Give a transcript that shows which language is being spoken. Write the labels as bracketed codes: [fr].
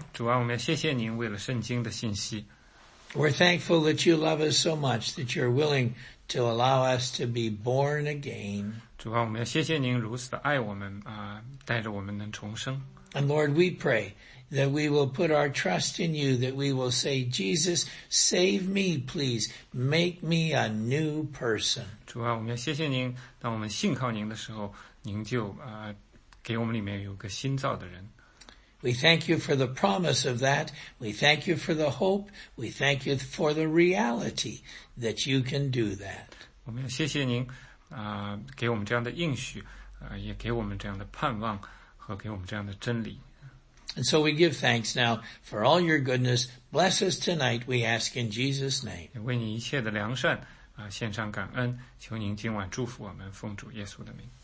[zh] 主啊，我们谢谢您为了圣经的信息。 [en] We're thankful that you love us so much that you're willing to allow us to be born again. [zh] 主啊，我们要谢谢您如此的爱我们啊，带着我们能重生。 [en] And Lord, we pray that we will put our trust in you, that we will say, Jesus, save me, please, make me a new person. [zh] 主啊，我们要谢谢您，当我们信靠您的时候，您就啊，给我们里面有个新造的人。 [en] We thank you for the promise of that. We thank you for the hope. We thank you for the reality that you can do that. [zh] 我们要谢谢您，给我们这样的应许，也给我们这样的盼望和给我们这样的真理。 [en] And so we give thanks now for all your goodness. Bless us tonight, we ask in Jesus' name. [zh] 为你一切的良善，献上感恩，求您今晚祝福我们，奉主耶稣的名。